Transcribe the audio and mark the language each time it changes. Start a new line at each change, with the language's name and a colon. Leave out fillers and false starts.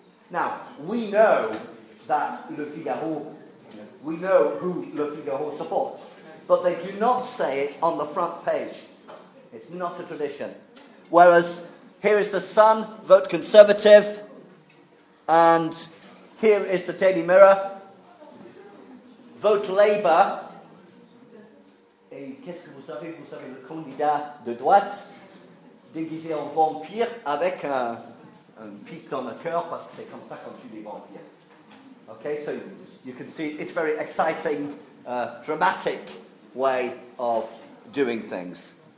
English: Now, we know that Le Figaro, we know who Le Figaro supports, but they do not say it on the front page. It's not a tradition. Whereas here is the Sun, vote Conservative, and here is the Daily Mirror, vote Labour.
French: Et qu'est-ce que vous savez? Vous savez le candidat de droite, déguisé en vampire avec un pic dans le cœur, parce que c'est comme ça quand tu les vampires.
English: Okay, so you can see it's a very exciting, dramatic way of doing things.